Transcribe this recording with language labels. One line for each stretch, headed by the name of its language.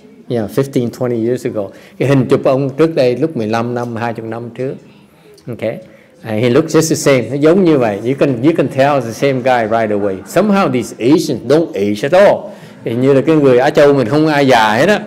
English: Yeah, 15, 20 years ago.
Vietnamese: Cái hình chụp ông trước đây lúc 15 năm, 20 năm trước.
English: Okay? He looks just the same.
Vietnamese: Giống như vậy.
English: You can tell the same guy right away. Somehow these Asians don't age at all.
Vietnamese: Hình như là cái người Á Châu mình không ai già hết á.